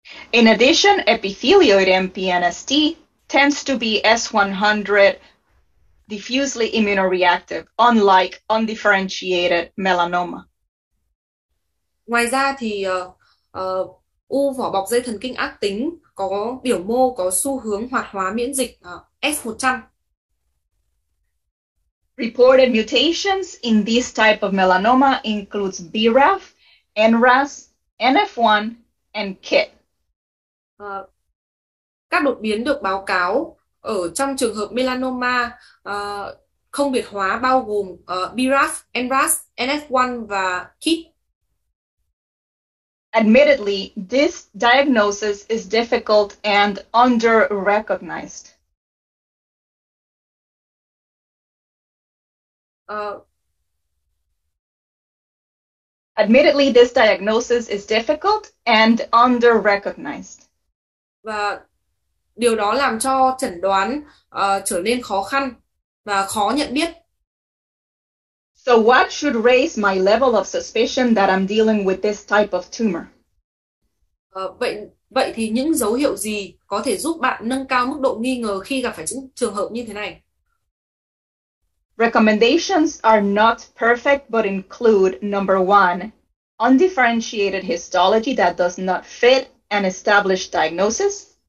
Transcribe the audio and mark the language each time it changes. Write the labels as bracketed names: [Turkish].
[English] In addition, epithelioid MPNST tends to be S100 diffusely immunoreactive, unlike undifferentiated melanoma. [Vietnamese] Ngoài ra thì u vỏ bọc dây thần kinh ác tính có biểu mô có xu hướng hoạt hóa miễn dịch S100. [English] Reported mutations in this type of melanoma includes BRAF, NRAS, NF1, and KIT. [Vietnamese] Các đột biến được báo cáo ở trong trường hợp melanoma không biệt hóa bao gồm BRAF, NRAS, NF1 và KIT. [English] Admittedly, this diagnosis is difficult and under-recognized. Admittedly, this diagnosis is difficult and under-recognized. [Vietnamese] Và điều đó làm cho chẩn đoán trở nên khó khăn và khó nhận biết. [English] So what should raise my level of suspicion that I'm dealing with this type of tumor? [Vietnamese] Vậy thì những dấu hiệu gì có thể giúp bạn nâng cao mức độ nghi ngờ khi gặp phải những trường hợp như thế này? [English] Recommendations are not perfect but include number one, undifferentiated histology that does not fit an established diagnosis.